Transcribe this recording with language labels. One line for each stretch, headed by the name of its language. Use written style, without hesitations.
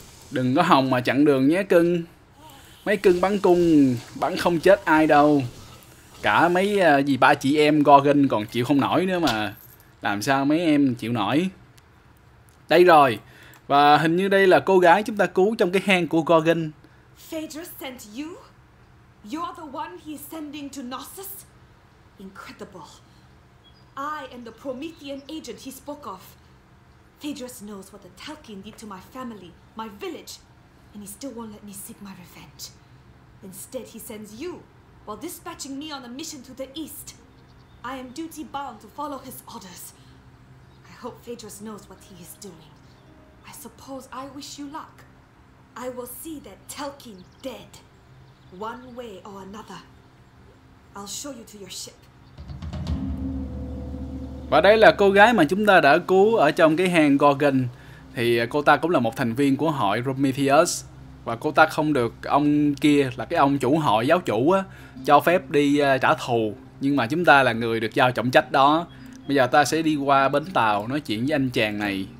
Vietnamese: Đừng có hòng mà chặn đường nhé cưng. Mấy cưng bắn cung, bắn không chết ai đâu. Cả mấy gì ba chị em Gorgon còn chịu không nổi nữa mà. Làm sao mấy em chịu nổi? Đây rồi. Và hình như đây là cô gái chúng ta cứu trong cái hang của Gorgon.
English: Phaedrus sent you? You're the one he's sending to Knossos? Incredible. I am the Promethean agent he spoke of. Phaedrus knows what the Telkin did to my family, my village, and he still won't let me seek my revenge. Instead, he sends you while dispatching me on a mission to the east. I am duty bound to follow his orders. I hope Phaedrus knows what he is doing. I suppose I wish you luck. I will see that Telkin dead, one way or another. I'll show you to your ship.
Vietnamese: Và đây là cô gái mà chúng ta đã cứu ở trong cái hang Gorgon. Thì cô ta cũng là một thành viên của hội Prometheus. Và cô ta không được ông kia, là cái ông chủ hội giáo chủ á, cho phép đi trả thù. Nhưng mà chúng ta là người được giao trọng trách đó. Bây giờ ta sẽ đi qua bến tàu nói chuyện với anh chàng này.